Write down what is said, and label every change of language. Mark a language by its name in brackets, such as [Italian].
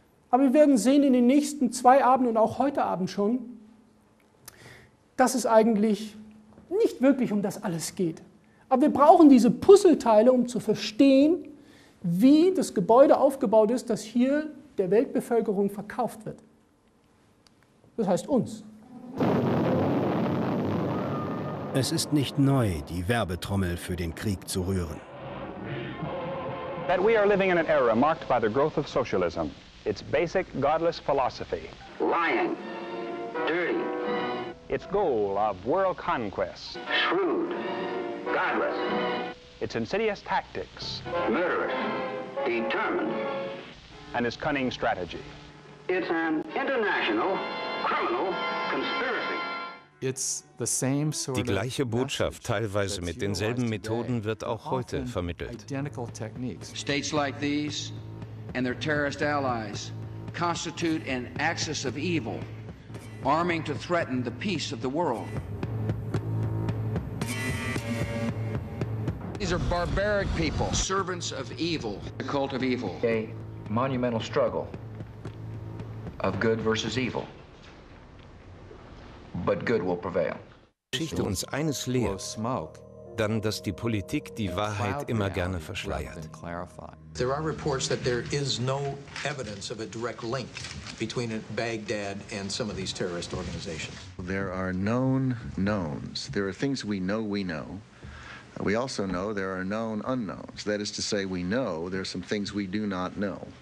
[German] Aber wir werden sehen in den nächsten 2 Abenden und auch heute Abend schon, dass es eigentlich nicht wirklich um das alles geht. Aber wir brauchen diese Puzzleteile, um zu verstehen, wie das Gebäude aufgebaut ist, das hier der Weltbevölkerung verkauft wird. Das heißt uns. Es ist nicht neu, die Werbetrommel für den Krieg zu rühren. [English] That we are living in an era marked by the growth of socialism, its basic godless philosophy. Lying. Dirty. Its goal of world conquest. Shrewd. Godless. Its insidious tactics. Murderous. Determined. And its cunning strategy. It's an international criminal conspiracy. It's the same sort of [German] Die gleiche Botschaft, teilweise mit denselben Methoden, wird auch heute vermittelt. [English] Identical techniques. States like these and their terrorist allies constitute an axis of evil, arming to threaten the peace of the world. These are barbaric people, servants of evil, the cult of evil. A monumental struggle of good versus evil. But good will prevail. [German] Geschichte uns eines lehrt, dann, dass die Politik die Wahrheit immer gerne verschleiert. [English] There are reports that there is no evidence of a direct link between Baghdad and some of these terrorist organizations. There are known knowns. There are things we know we know. We also know there are known unknowns. That is to say, we know there are some things we do not know.